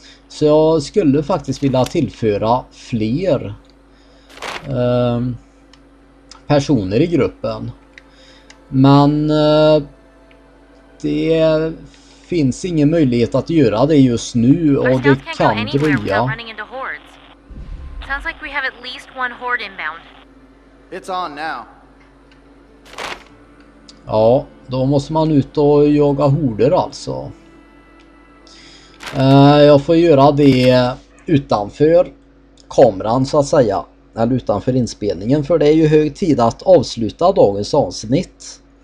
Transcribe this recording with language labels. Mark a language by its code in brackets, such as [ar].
[sv] Så jag skulle faktiskt vilja tillföra fler personer i gruppen. Men det finns ingen möjlighet att göra det just nu, och det kan dröja. [en] Sounds like we have at least one horde inbound. It's on now. [sv] Ja, då måste man ut och jaga horder alltså. Jag får göra det utanför kameran så att säga. Eller utanför inspelningen, för det är ju hög tid att avsluta dagens avsnitt.